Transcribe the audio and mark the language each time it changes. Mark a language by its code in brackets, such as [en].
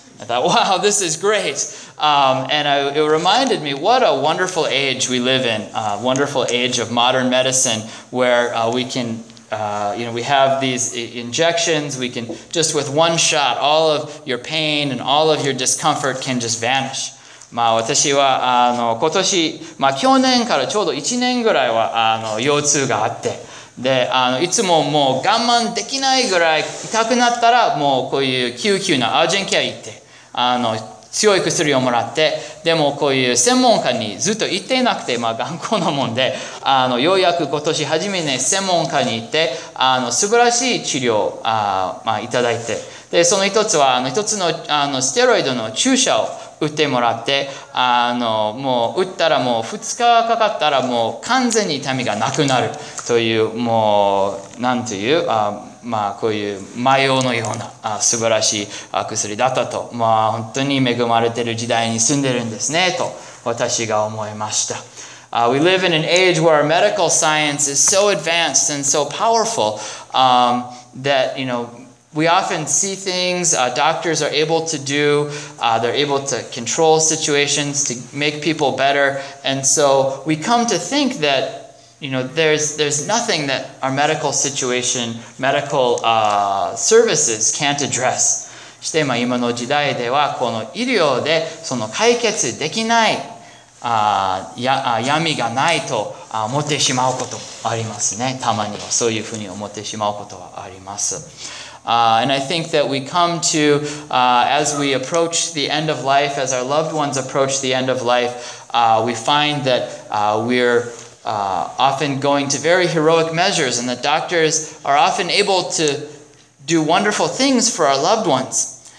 [en] I thought, wow, this is great. It reminded me what a wonderful age we live in, a wonderful age of modern medicine where we can, you know, we have these injections. We can just with one shot, all of your pain and all of your discomfort can just vanish. [ja] まあ私はあの今年、まあ去年からちょうど1年ぐらいはあの腰痛があって、で、あのいつももう我慢できないぐらい痛くなったらもうこういう救急のアージェントケア行って、あの強い薬をもらって、でもこういう専門家にずっと行っていなくて、まあ頑固なもんで、あのようやく今年初めに、ね、専門家に行って、あの素晴らしい治療をまあいただいて、で、その一つはあの一つのあのステロイドの注射を打ってもらって、あの、もう打ったらもう2日かかったらもう完全に痛みがなくなるという、もう、なんという、あまあこういう麻药のようなあ素晴らしい薬だったと、まあ本当に恵まれている時代に住んでるんですね、と私が思いました。 [en] We live in an age where our medical science is so advanced and so powerful, that, you know,We often see things doctors are able to do. They're able to control situations to make people better. And so we come to think that, you know, there's nothing that our medical situation, medical services can't address. [ja] して、まあ、今の時代ではこの医療でその解決できない、闇がないと思ってしまうことありますね。たまにはそういうふうに思ってしまうことはあります。 [en] And I think that we come to, as we approach the end of life, as our loved ones approach the end of life, we find that we're often going to very heroic measures and that doctors are often able to do wonderful things for our loved ones.